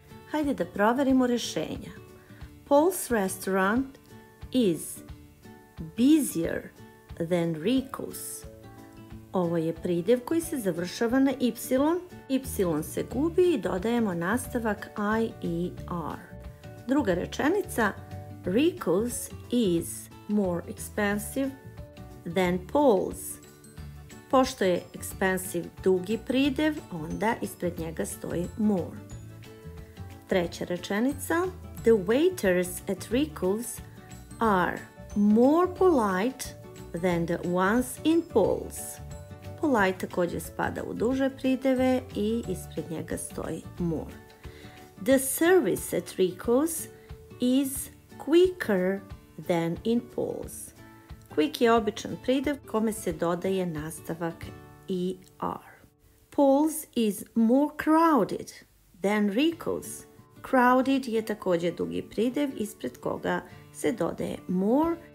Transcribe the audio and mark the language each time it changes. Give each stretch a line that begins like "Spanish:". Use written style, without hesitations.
Serbian: Hajde da proverimo rešenja.
English: Paul's restaurant is busier than Rico's.
Serbian: Ovo je pridev koji se završava na y. Y se gubi i dodajemo nastavak ier. Druga rečenica,
English: Rico's is more expensive than Paul's.
Serbian: Pošto je expensive dugi pridev, onda ispred njega stoji more. Treća rečenica,
English: the waiters at Rico's are more polite than the ones in Paul's.
Serbian: Polite takođe spada u duže prideve i ispred njega stoji more.
English: The service at Rico's is quicker than in Paul's.
Serbian: Quick je običan pridev kome se dodaje nastavak er.
English: Paul's is more crowded than Rico's.
Serbian: Crowded je takođe dugi pridev ispred koga se dodaje more.